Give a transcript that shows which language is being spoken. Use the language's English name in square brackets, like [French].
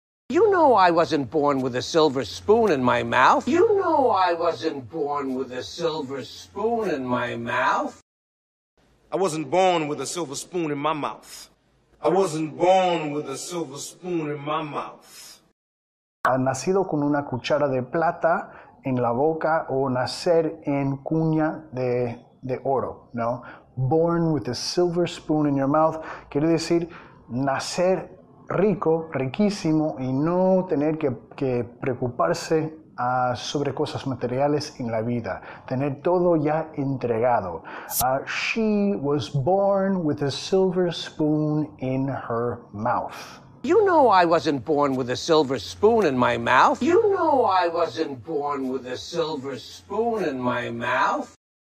[English] You know I wasn't born with a silver spoon in my mouth. You know I wasn't born with a silver spoon in my mouth. I wasn't born with a silver spoon in my mouth. I wasn't born with a silver spoon in my mouth. [Spanish] Ha nacido con una cuchara de plata en la boca o nacer en cuña de oro, ¿no? [English] Born with a silver spoon in your mouth. [Spanish] Quiere decir nacer rico, riquísimo, y no tener que preocuparse sobre cosas materiales en la vida. Tener todo ya entregado. [English] She was born with a silver spoon in her mouth. You know I wasn't born with a silver spoon in my mouth. You know I wasn't born with a silver spoon in my mouth.